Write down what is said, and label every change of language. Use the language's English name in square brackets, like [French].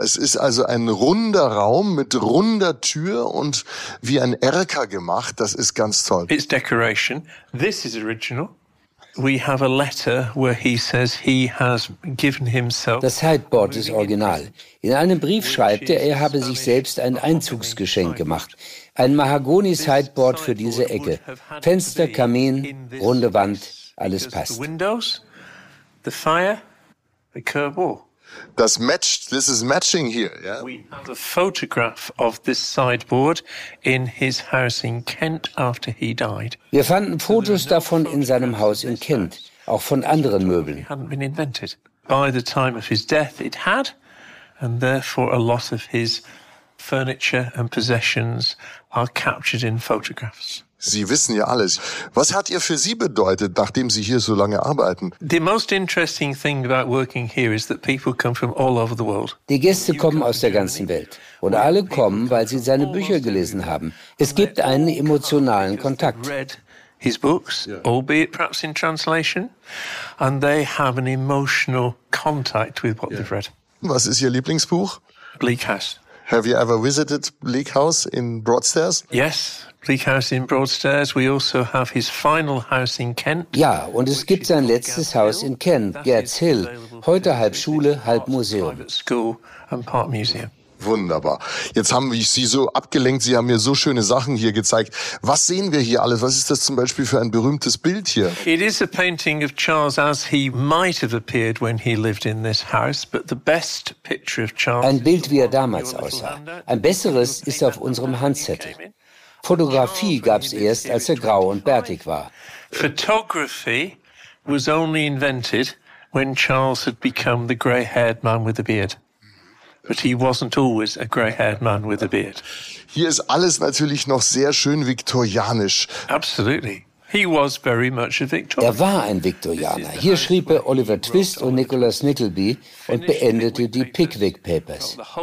[German] Es ist also ein runder Raum mit runder Tür und wie ein Erker gemacht. Das ist ganz toll. [English] It's decoration. This is original. We have a letter where he says he has given himself. [German] Das Sideboard ist original. In einem Brief schreibt er, er habe sich selbst ein Einzugsgeschenk gemacht. Ein Mahagoni-Sideboard für diese Ecke. Fenster, Kamin, runde Wand, alles passt. [English] The fire, the curb wall. Das matched, this is matching here, yeah? We have a photograph of this sideboard in his house in Kent after he died. [German] Wir fanden Fotos davon in seinem Haus in Kent, auch von anderen Möbeln. [English] It hadn't been invented. By the time of his death, it had, and therefore a lot of his furniture and possessions are captured in photographs. [German] Sie wissen ja alles. Was hat ihr für Sie bedeutet, nachdem Sie hier so lange arbeiten? [English] The most interesting thing about working here is that people come from all over the world. [German] Die Gäste kommen aus der ganzen Welt und alle kommen, weil sie seine Bücher gelesen haben. Es gibt einen emotionalen Kontakt. [English] His books, albeit perhaps in translation, and they have an emotional contact with what they've read. [German] Was ist Ihr Lieblingsbuch? [English] Bleak House. Have you ever visited Bleak House in Broadstairs? Yes. Bleak House in Broadstairs. We also have his final house in Kent. [German] Ja, und es gibt sein letztes Haus in Kent, Gads Hill. Heute halb Schule, halb Museum. [English] Private school and part museum. [German] Wunderbar. Jetzt haben wir Sie so abgelenkt. Sie haben mir so schöne Sachen hier gezeigt. Was sehen wir hier alles? Was ist das zum Beispiel für ein berühmtes Bild hier? [English] It is a painting of Charles as he might have appeared when he lived in this house, but the best picture of Charles. [German] Ein Bild, wie er damals aussah. Ein besseres ist auf unserem Handzettel. Fotografie gab's erst, als er grau und bärtig war. [English] Photography was only invented when Charles had become the grey-haired man with a beard. But he wasn't always a grey-haired man with a beard. [German] Hier ist alles natürlich noch sehr schön viktorianisch. [English] Absolutely. [German] Er war ein Viktorianer. Hier schrieb er Oliver Twist und Nicholas Nickleby und beendete die Pickwick Papers.